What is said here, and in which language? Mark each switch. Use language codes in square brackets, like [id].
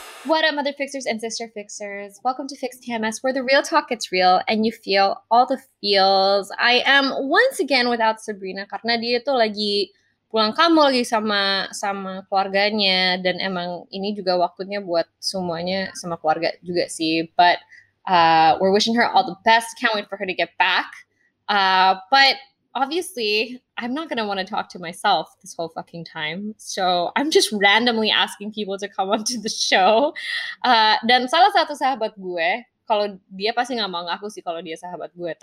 [en] What up, mother fixers and sister fixers? Welcome to Fix TMS, where the real talk gets real and you feel all the feels. I am once again without Sabrina [id] karena dia tuh lagi pulang kampung lagi sama keluarganya, dan emang ini juga waktunya buat semuanya sama keluarga juga sih. [en] But we're wishing her all the best. Can't wait for her to get back. But obviously, I'm not going to want to talk to myself this whole fucking time. So I'm just randomly asking people to come onto the show. [id] Dan salah satu sahabat gue, kalau dia pasti gak mau ngaku sih kalau dia sahabat gue.